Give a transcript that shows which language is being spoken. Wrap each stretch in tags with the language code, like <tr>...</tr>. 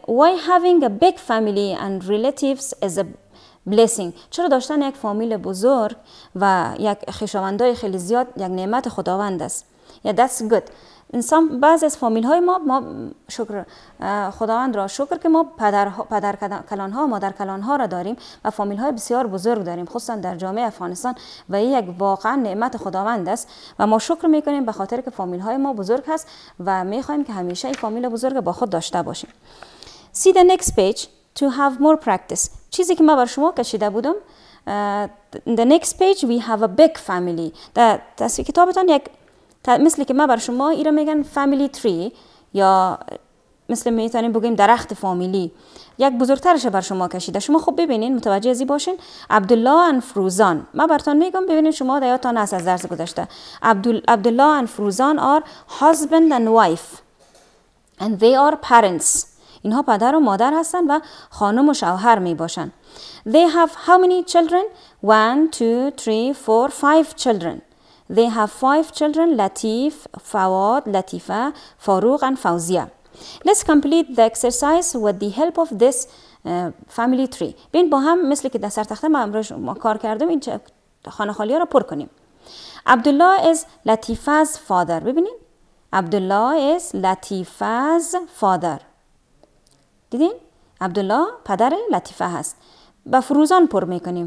<en>Why having a big family and relatives is a blessing?</en> <fa>چرا داشتن یک فامیل بزرگ و یک خویشاوندای خیلی زیاد یک نعمت خداوند است؟</fa> <en>Yeah, that's good.</en> <fa>انسان بعض از فامیل های ما شکر خداوند را شکر که ما پدر کلان ها مادر کلان ها را داریم و فامیل های بسیار بزرگ داریم، خصوصا در جامعه افغانستان، و این یک واقعا نعمت خداوند است و ما شکر میکنیم به خاطر که فامیل های ما بزرگ هست و میخواهیم که همیشه این فامیل بزرگ با خود داشته باشیم.</fa> <en>See the next page to have more practice.</en> <fa>چیزی که ما بر شما کشیده بودم</fa> <en>In the next page we have a big family.</en> <fa>در تصویر کتابتان یک مثل که ما بر شما ایره میگن family tree یا مثل میتونیم بگیم درخت فامیلی یک بزرگترش بر شما کشیده. شما خوب ببینین، متوجه ازی باشین. عبدالله ان فروزان، ما براتون میگم ببینین شما دیاتون هست از درس گذشته.</fa> <en>عبدالله ان فروزان are husband and wife and they are parents.</en> <fa>اینها پدر و مادر هستند و خانم و شوهر می باشند.</fa> <en>They have how many children? 1, 2, 3, 4, 5 children. They have 5 children. Latif, Fawad, Latifa, Farooq and Fawzia. Let's complete the exercise with the help of this family tree.</en> <fa>بین با هم مثل که در سرتخته ما کار کردم این خانه خالی ها را پر کنیم.</fa> <en>عبدالله is Latifa's father.</en> <fa>ببینین؟</fa> <en>عبدالله is Latifa's father.</en> <fa>دیدین؟ عبدالله پدر لطیفه هست. با فروزان پر میکنیم.</fa>